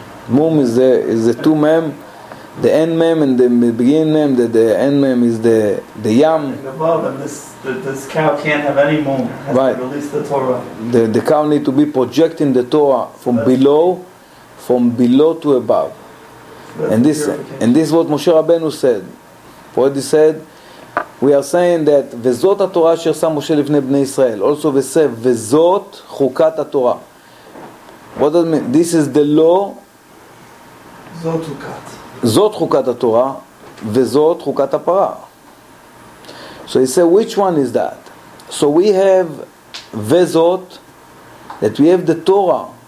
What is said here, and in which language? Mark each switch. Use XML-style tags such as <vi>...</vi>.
<en>Mum is the two mem, the end mem and the beginning mem, the end mem is the yam. And above, and this cow can't have any mum. Right. To release the Torah. The cow need to be projecting the Torah from below to above. And this is what Moshe Rabbeinu said. What he said, we are saying that</en> <he>וזאת התורה אשר שם משה לפני בני ישראל.</he> <en>Also we say</en> <he>וזאת חוקת התורה.</he> <en>What does it mean? This is the law.</en> <he>זאת חוקת. זאת חוקת התורה. וזאת חוקת הפרה.</he> <en>So he said, which one is that? So we have וזאת, that we have the Torah.</en>